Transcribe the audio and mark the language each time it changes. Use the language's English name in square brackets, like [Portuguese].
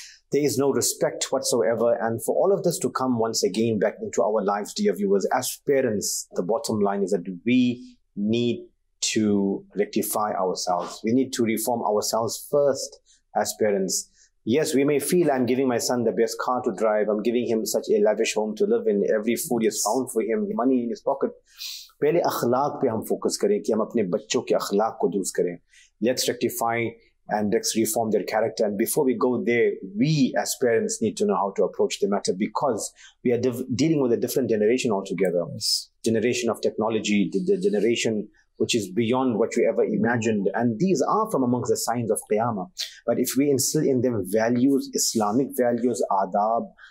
[English] There is no respect whatsoever. And for all of this to come once again back into our lives, dear viewers, as parents, the bottom line is that we need to rectify ourselves. We need to reform ourselves first as parents. Yes, we may feel I'm giving my son the best car to drive. I'm giving him such a lavish home to live in. Every food is found for him, money in his pocket. [Urdu] پہلے اخلاق پہ ہم focus کریں کہ ہم اپنے بچوں کے اخلاق کو درست کریں. [English] Let's rectify and let's reform their character. And before we go there, we as parents need to know how to approach the matter, because we are dealing with a different generation altogether. Yes. Generation of technology, the generation which is beyond what we ever imagined. And these are from amongst the signs of Qiyamah. But if we instill in them values, Islamic values, adab,